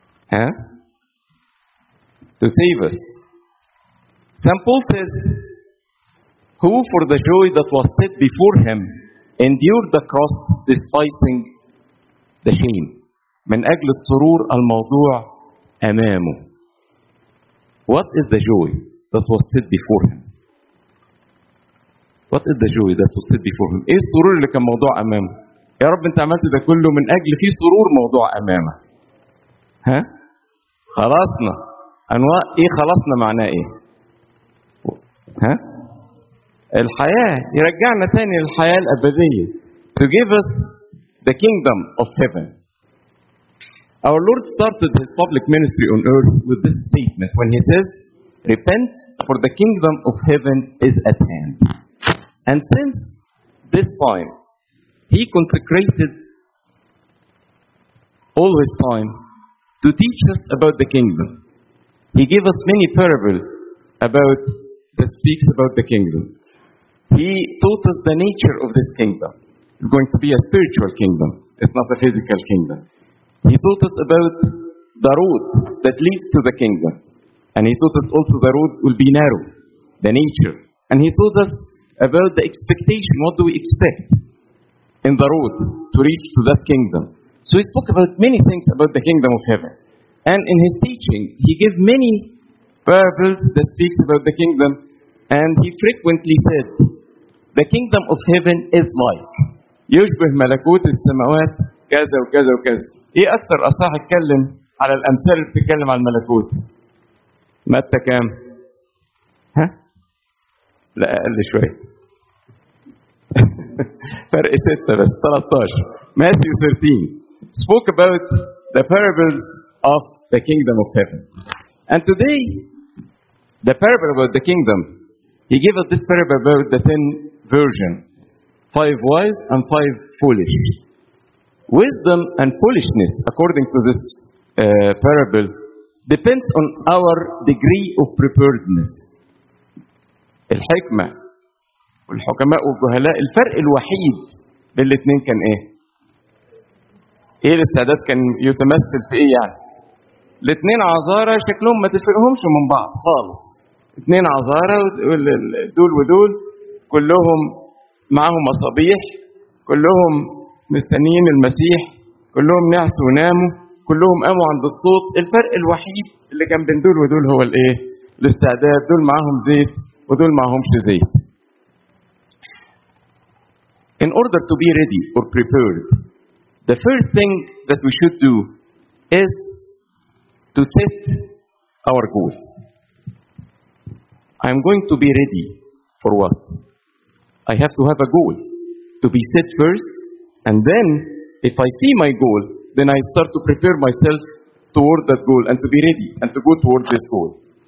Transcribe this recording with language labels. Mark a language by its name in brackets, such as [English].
[English] Huh? To save us. St. Paul says, "Who for the joy that was set before him endured the cross, despising the shame." [Arabic] من أجل السرور الموضوع أمامه. [English] What is the joy that was set before him? What is the joy that was set before him? [Arabic] إيه السرور اللي كان موضوع أمامه؟ يا رب أنت عملت ده كله من أجل في سرور موضوع أمامه. ها؟ huh? خلاصنا. أنواع إيه خلاصنا معناه إيه؟ ها؟ الحياة. يرجعنا تاني للحياة الأبدية. [English] To give us the kingdom of heaven. Our Lord started his public ministry on earth with this statement when he says, "Repent, for the kingdom of heaven is at hand." And since this time, he consecrated all his time to teach us about the kingdom. He gave us many parables about that speaks about the kingdom. He taught us the nature of this kingdom. It's going to be a spiritual kingdom. It's not a physical kingdom. He taught us about the road that leads to the kingdom. And he taught us also the road will be narrow, the nature. And he taught us about the expectation. What do we expect in the road to reach to that kingdom? So he spoke about many things about the kingdom of heaven. And in his teaching, he gave many parables that speaks about the kingdom. And he frequently said, "The kingdom of heaven is like." [Arabic] يشبه ملكوت السماوات كذا وكذا وكذا. إيه أكثر أصحاح اتكلم على الأمثال اللي بتتكلم على الملكوت؟ متى كام؟ ها؟ لا أقل شوي. فرق 6 بس 13. [English] Matthew 13 spoke about the parables of the kingdom of heaven. And today, the parable about the kingdom, he gave us this parable about the 10 virgin, 5 wise and 5 foolish. Wisdom and foolishness, according to this parable, depends on our degree of preparedness. [Arabic] الحكمة والحكماء والجهلاء الفرق الوحيد بين الاثنين كان ايه؟ ايه الاستعداد كان يتمثل في ايه يعني؟ الاثنين عزارة شكلهم ما تفرقهمش من بعض خالص. اثنين عزارة دول ودول كلهم معهم مصابيح كلهم مستنيين المسيح كلهم نعسوا وناموا كلهم قاموا عند الصوت. الفرق الوحيد اللي كان بين دول ودول هو الايه؟ الاستعداد. دول معهم زيت ودول معهمش زيت. [English] In order to be ready or prepared, the first thing that we should do is to set our goal. I'm going to be ready for what? I have to have a goal to be set first, and then if I see my goal, then I start to prepare myself toward that goal and to be ready and to go toward this goal.